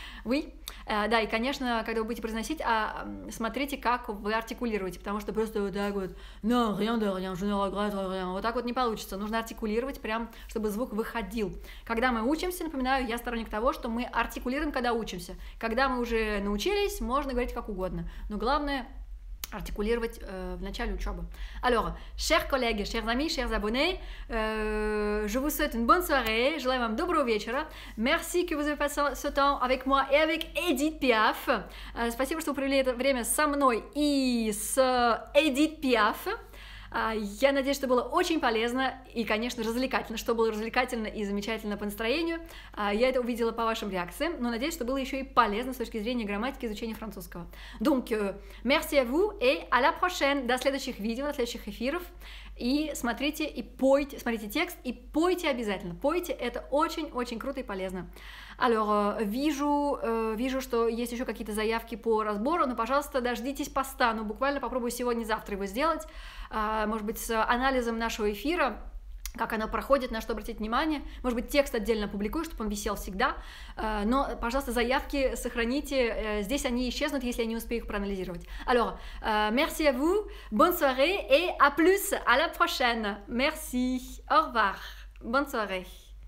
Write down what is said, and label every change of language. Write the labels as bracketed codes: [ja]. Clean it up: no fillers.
[ru] Уи, да, и, конечно, когда вы будете произносить, смотрите, как вы артикулируете, потому что просто вот так вот, [fr] non, rien de rien, je ne regrette rien, [ru] вот так вот не получится, нужно артикулировать прям, чтобы звук выходил. Когда мы учимся, напоминаю, я сторонник того, что мы артикулируем, когда учимся. Когда мы уже научились, можно говорить как угодно. Но главное артикулировать в начале учебы. [fr] Alors, chers collègues, chers amis, chers abonnés, je vous souhaite une bonne soirée. [ru] Желаю вам доброго вечера. [fr] Merci que vous avez passé ce temps avec moi et avec Edith Piaf. [ru] Спасибо, что вы провели это время со мной и с Edith Piaf. Я надеюсь, что было очень полезно и, конечно, развлекательно, что было развлекательно и замечательно по настроению. Я это увидела по вашим реакциям, но надеюсь, что было еще и полезно с точки зрения грамматики изучения французского. [fr] Donc, merci à vous et à la prochaine! [ru] До следующих видео, до следующих эфиров. И смотрите, и пойте, смотрите текст, и пойте обязательно. Пойте, это очень-очень круто и полезно. [fr] Alors, [ru] вижу, что есть еще какие-то заявки по разбору, но, пожалуйста, дождитесь поста. Ну, буквально попробую сегодня-завтра его сделать. Может быть, с анализом нашего эфира, как оно проходит, на что обратить внимание. Может быть, текст отдельно публикую, чтобы он висел всегда. Но, пожалуйста, заявки сохраните. Здесь они исчезнут, если я не успею их проанализировать. [fr] Alors, merci à vous, bonne soirée et à plus, à la prochaine. Merci, au revoir, bonne soirée.